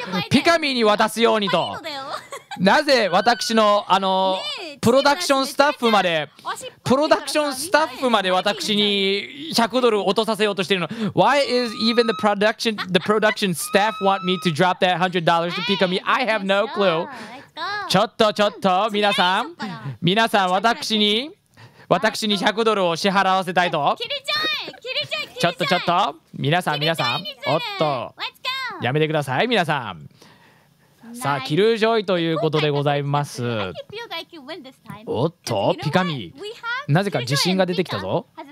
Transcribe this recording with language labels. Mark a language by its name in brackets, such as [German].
[Japanese] ピカミーに渡すようにと。なぜ私のプロダクションスタッフまで、プロダクションスタッフまで私に100ドル落とさせようとしているの。 [English] Why is even the production staff want me to drop that $100 to Pikamee? I have no clue. [Japanese] ちょっとちょっと皆さん私に100ドルを支払わせたいと。ちょっとちょっと皆さんおっとやめてください皆さん。さあキルジョイということでございます。おっとピカミなぜか自信が出てきたぞ。